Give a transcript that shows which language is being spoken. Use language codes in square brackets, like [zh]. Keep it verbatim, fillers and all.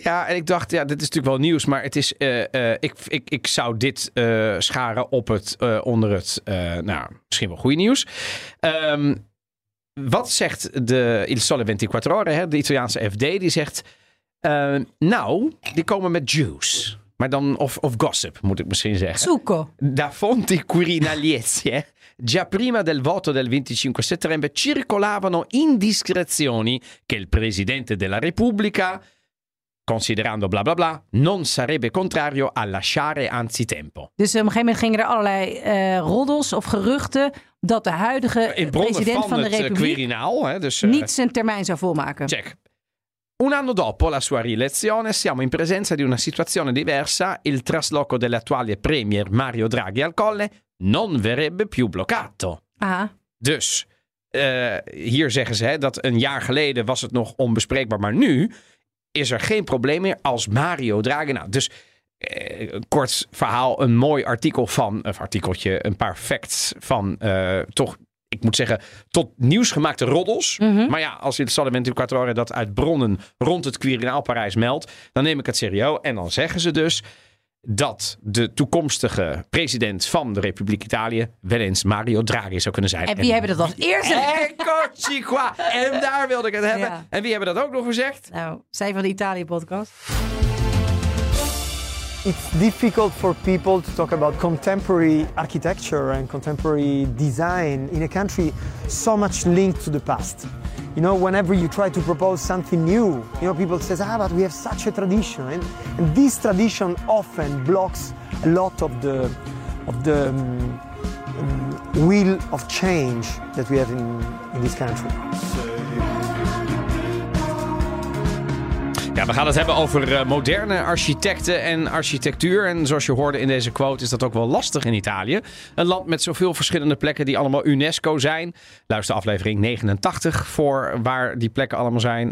[nl] Ja, en ik dacht, ja, dit is natuurlijk wel nieuws, maar het is, eh, eh, ik, ik, ik zou dit eh, scharen op het, eh, onder het, eh, nou, misschien wel goede nieuws. Ehm, wat zegt de Il Sole ventiquattro Ore, hè, de Italiaanse F D, die zegt, eh, nou, die komen met juice, maar dan, of, of gossip, moet ik misschien zeggen. Zucco. [it] Da fonti quirinalizie, già prima del voto del venticinque settembre circolavano indiscrezioni che il presidente della Repubblica, considerando bla bla bla, non sarebbe contrario a lasciare anzitempo. [nl] Dus eh, op een gegeven moment gingen er allerlei eh, roddels of geruchten dat de huidige In bronnen president van, van, de het eh, Republiek Quirinaal, hè, dus eh, niet zijn termijn zou volmaken. check. [it] Un anno dopo la sua rielezione siamo in presenza di una situazione diversa, il trasloco dell'attuale premier Mario Draghi al Colle non verrebbe più bloccato. [nl] Aha. Dus eh, hier zeggen ze hè, dat een jaar geleden was het nog onbespreekbaar. Maar nu is er geen probleem meer als Mario Draghi. Nou, dus eh, een kort verhaal, een mooi artikel van, of artikeltje, een paar facts van eh, toch, ik moet zeggen, tot nieuws gemaakte roddels. Mhm. Maar ja, als je het ventiquattro Ore dat uit bronnen rond het Quirinaalpaleis meldt, dan neem ik het serieus. En dan zeggen ze dus dat de toekomstige president van de Republiek Italië wel eens Mario Draghi zou kunnen zijn. En wie hebben dat als eerste? [it] Eccoci qua. [nl] En daar wilde ik het hebben. Ja. En wie hebben dat ook nog gezegd? Nou, zij van de Italië-podcast. [en] It's difficult for people to talk about contemporary architecture and contemporary design in a country so much linked to the past. You know, whenever you try to propose something new, you know, people says, ah, but we have such a tradition. And, and this tradition often blocks a lot of the, of the um, um, will of change that we have in, in this country. [nl] Ja, we gaan het hebben over eh, moderne architecten en architectuur. En zoals je hoorde in deze quote is dat ook wel lastig in Italië. Een land met zoveel verschillende plekken die allemaal UNESCO zijn. Luister aflevering negenentachtig voor waar die plekken allemaal zijn.